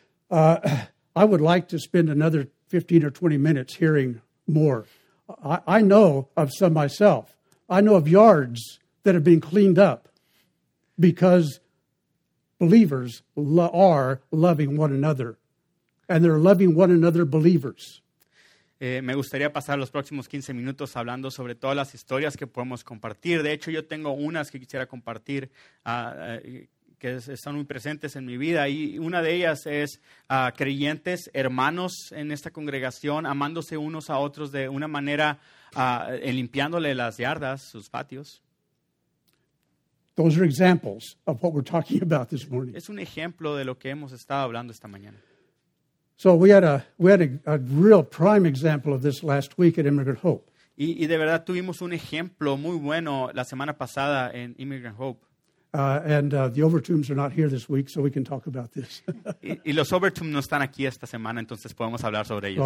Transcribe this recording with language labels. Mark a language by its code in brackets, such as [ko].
[en] I would like to spend another 15 or 20 minutes hearing more. I know of some myself. I know of yards that have been cleaned up because believers are loving one another. And they're loving one another believers. [es] Me gustaría pasar los próximos 15 minutos hablando sobre todas las historias que podemos compartir. De hecho, yo tengo unas que quisiera compartir que están muy presentes en mi vida. Y una de ellas es creyentes, hermanos en esta congregación, amándose unos a otros de una manera, limpiándole las yardas, sus patios. [en] Those are examples of what we're talking about this morning. [es] Es un ejemplo de lo que hemos estado hablando esta mañana. [en] So we had a real prime example of this last week at Immigrant Hope. [es] Y de verdad tuvimos un ejemplo muy bueno la semana pasada en Immigrant Hope. [en] The Overtoombs are not here this week, so we can talk about this. [es] y los Overtoombs no están aquí esta semana, entonces podemos hablar sobre ellos.